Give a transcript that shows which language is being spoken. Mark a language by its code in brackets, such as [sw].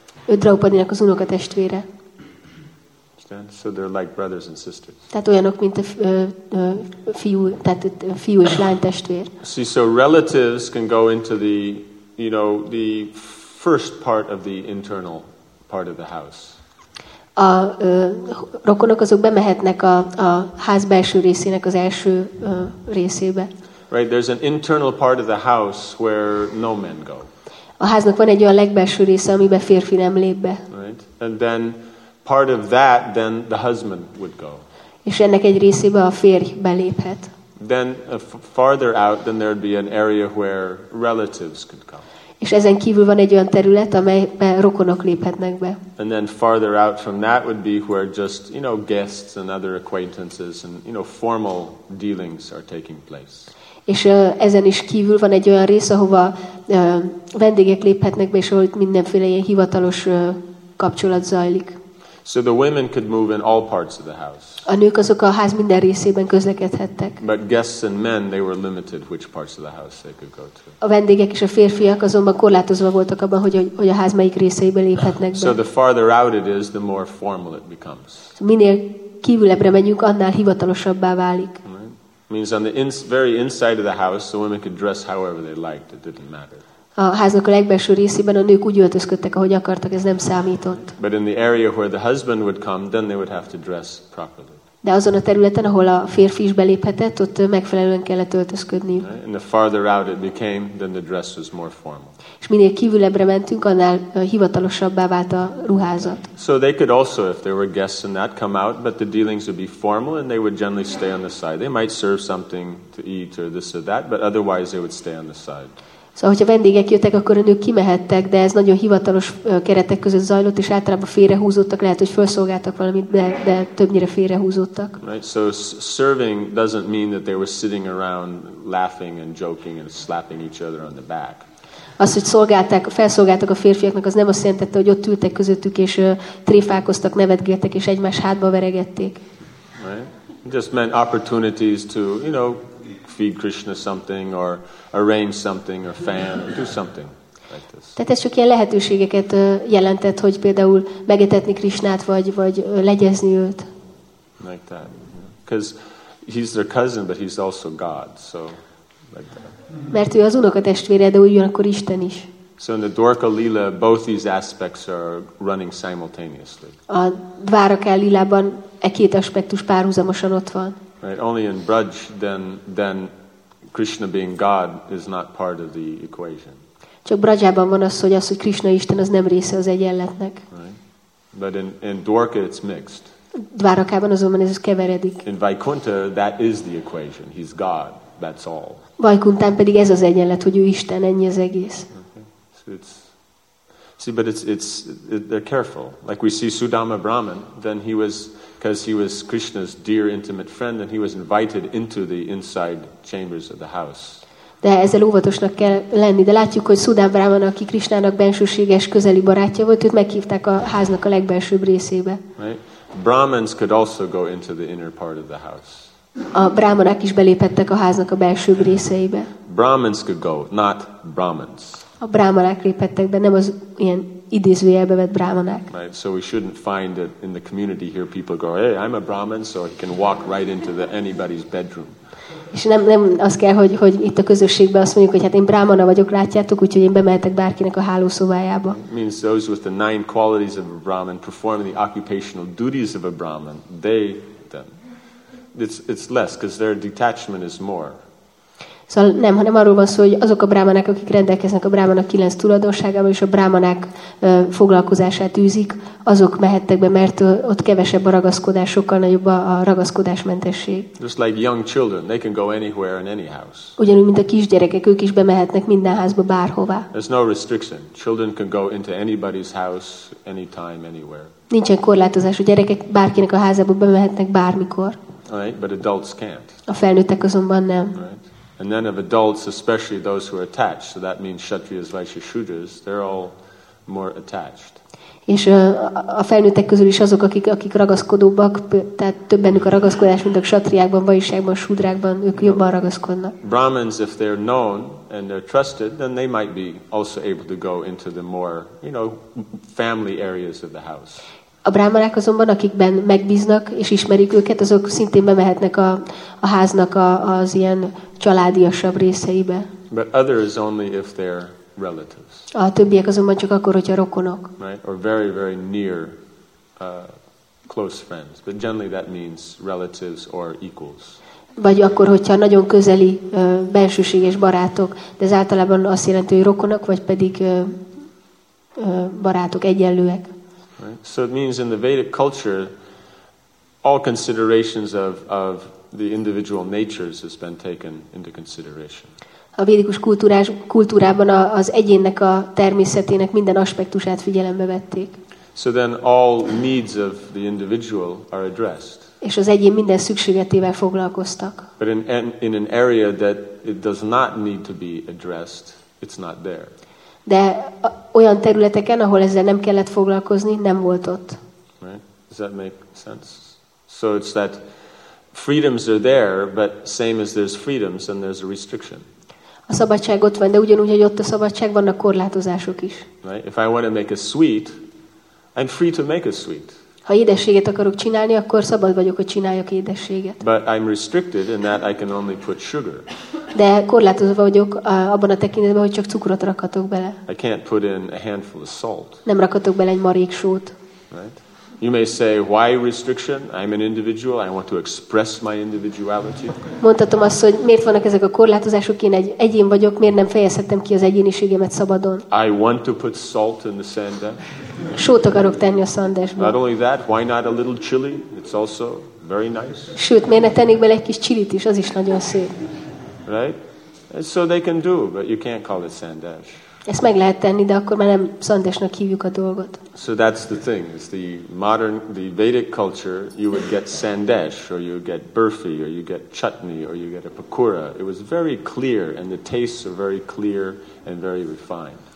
[hu] Ő Draupadinak az unokatestvére. [en] So they're like brothers and sisters. [hu] Tehát olyanok, mint a fiú, tehát a fiú és lány testvér. [en] See, so relatives can go into the you know, the first part of the internal part of the house. [hu] A rokonok azok bemehetnek a ház belső részének az első részébe. [en] Right, there's an internal part of the house where no men go. [hu] A háznak van egy olyan legbelső része, amiben férfi nem lép be. [en] Right, and then part of that, then the husband would go. [hu] És ennek egy részébe a férj beléphet. [en] Then farther out, then there'd be an area where relatives could come. [hu] És ezen kívül van egy olyan terület, amelybe rokonok léphetnek be. [en] And then farther out from that would be where just, you know, guests and other acquaintances and, you know, formal dealings are taking place. [hu] És ezen is kívül van egy olyan rész, ahova vendégek léphetnek be, és ahol mindenféle ilyen hivatalos kapcsolat zajlik. [en] So the women could move in all parts of the house. [hu] A nők azok a ház minden részében közlekedhettek. [en] But guests and men, they were limited which parts of the house they could go to. [hu] A vendégek és a férfiak azonban korlátozva voltak abban, hogy a ház melyik részeibe léphetnek be. [en] So the farther out it is, the more formal it becomes. [hu] Minél kívülebbre megyünk, annál hivatalosabbá válik. [en] Right? Means on the very inside of the house, the women could dress however they liked. It didn't matter. [hu] A háznak a legbelső részében a nők úgy öltözködtek, ahogy akartak, ez nem számított. [en] But in the area where the husband would come, then they would have to dress properly. [hu] De azon a területen, ahol a férfi is beléphetett, ott megfelelően kellett öltözködni. [en] And the farther out it became, then the dress was more formal. [hu] És minél kívülebbre mentünk, annál hivatalosabbá vált a ruházat. [en] So they could also, if there were guests in that, come out, but the dealings would be formal and they would generally stay on the side. They might serve something to eat or this or that, but otherwise they would stay on the side. [hu] Szóval, hogyha vendégek jöttek, akkor a nők kimehettek, de ez nagyon hivatalos keretek között zajlott, és általában félrehúzódtak, lehet, hogy felszolgáltak valamit, de többnyire félrehúzódtak. [en] Right, so serving doesn't mean that they were sitting around laughing and joking and slapping each other on the back. [hu] Az, hogy felszolgáltak a férfiaknak, az nem azt jelentette, hogy ott ültek közöttük, és tréfálkoztak, nevetgéltek, és egymás hátba veregették. [en] Right, just meant opportunities to, you know, feed Krishna something or arrange something or fan or do something like this. [hu] Tehát ez csak ilyen lehetőségeket jelentett, hogy például megetetni Krishnát vagy legyezni őt. [en] Like that. Because he's their cousin, but he's also God. So like that. [hu] Mert ő az unokatestvére, de ugyanakkor Isten is. [en] So in the Dwarka Lila, both these aspects are running simultaneously. [hu] A Dwarka Lilában e két aspektus párhuzamosan ott van. [en] Right, only in Braj then Krishna being God is not part of the equation. [hu] Csak Brajában van az, hogy Krishna Isten az nem része az egyenletnek. [en] Right. But in Dwarka it's mixed. [hu] Dwarakában azonban ez keveredik. [en] In Vaikuntha that is the equation. He's God. That's all. [hu] Vaikunthán pedig ez az egyenlet, hogy ő Isten, ennyi az egész. [en] Okay. So but they're careful. Like we see Sudama Brahman, then he was, because he was Krishna's dear intimate friend, and he was invited into the inside chambers of the house. [hu] De ezzel óvatosnak kell lenni, de látjuk, hogy Sudama Brahman, aki Krishnának bensőséges közeli barátja volt, őt meghívták a háznak a legbelsőbb részébe. [en] Right? Brahmins could also go into the inner part of the house. [hu] A brahmanak is beléphettek a háznak a belsőbb részeibe. [en] Brahmins could go, not Brahmins. [hu] A brámanák léphettek be, nem az ilyen idézőjelbe vett brámanák. [en] Right, so we shouldn't find that in the community here people go, hey, I'm a brahman, so he can walk right into anybody's bedroom. [hu] És nem az kell, hogy itt a közösségben azt mondjuk, hogy hát én brámana vagyok, látjátok, úgyhogy én bemehetek bárkinek a hálószobájába. [en] Means those with the nine qualities of a brahman performing the occupational duties of a brahman, they then. It's less, because their detachment is more. [hu] Szóval nem, hanem arról van szó, hogy azok a brámanák, akik rendelkeznek a brámanak kilenc tulajdonságával, és a brámanák foglalkozását űzik, azok mehettek be, mert ott kevesebb a ragaszkodás, sokkal nagyobb a ragaszkodásmentesség. [en] Just like young children, they can go anywhere in any house. [hu] Ugyanúgy, mint a kisgyerekek, ők is bemehetnek minden házba, bárhová. [en] There's no restriction. Children can go into anybody's house, anytime, anywhere. [hu] Nincsen korlátozás, hogy gyerekek bárkinek a házába bemehetnek bármikor. [en] Right, but adults can't. [hu] A felnőttek azonban nem. [en] Right. And then of adults, especially those who are attached, so that means kshatriyas, vaishyas, shudras, they're all more attached. [hu] És a felnőttek közül is azok, akik ragaszkodóbbak, tehát többenük a ragaszkodás, mint a kshatriyákban, vaishyákban, shudrákban, ők jobban ragaszkodnak. [en] Brahmins, if they're known and they're trusted, then they might be also able to go into the more, you know, family areas of the house. [hu] A brámanák azonban, akikben megbíznak és ismerik őket, azok szintén bemehetnek a háznak az ilyen családiasabb részeibe. [en] But others only if they're relatives. [hu] A többiek azonban csak akkor, hogyha rokonok. [en] Right? Or very, very near close friends. But generally that means relatives or equals. [hu] Vagy akkor, hogyha nagyon közeli bensőséges barátok, de ez általában azt jelenti, hogy rokonok, vagy pedig barátok egyenlőek. [en] Right? So it means in the Vedic culture all considerations of the individual natures has been taken into consideration. [hu] A védikus kultúrában az egyének a természetének minden aspektusát figyelembe vették. [en] So then all needs of the individual are addressed. [hu] És az egyén minden szükségletével foglalkoztak. [en] But in an area that it does not need to be addressed, it's not there. [hu] De olyan területeken, ahol ezzel nem kellett foglalkozni, nem volt ott. [en] Right? Does that make sense? So it's that freedoms are there, but same as there's freedoms, and there's a restriction. [hu] A szabadság ott van, de ugyanúgy, hogy ott a szabadság, vannak korlátozások is. [en] Right? If I want to make a sweet, I'm free to make a sweet. [hu] Ha édességet akarok csinálni, akkor szabad vagyok, hogy csináljak édességet. [en] But I'm restricted in that I can only put sugar. [hu] De korlátozva vagyok abban a tekintetben, hogy csak cukrot rakhatok bele. [en] I can't put in a handful of salt. [hu] Nem rakhatok bele egy marék sót. [en] Right? You may say, why restriction? I'm an individual. I want to express my individuality. [hu] Mondhatom azt, hogy miért vannak ezek a korlátozások? Én egy egyén vagyok. Miért nem fejezhetem ki az egyéniségemet szabadon? [en] I want to put salt in the sandesh. [hu] Sót akarok tenni a szandesbe. [en] Not only that, why not a little chili? It's also very nice. [hu] Sőt, miért ne tennék bele egy kis chilit is? Az is nagyon szép. [en] Right? And so they can do, but you can't call it sandesh. [hu] Ezt meg lehet tenni, de akkor már nem szandesnak hívjuk a dolgot. [en] So that's the thing. It's the modern, the Vedic culture, you would get sandesh, or you would get burfi, or you get chutney, or you get a pakora. It was very clear, and the tastes are very clear and very refined.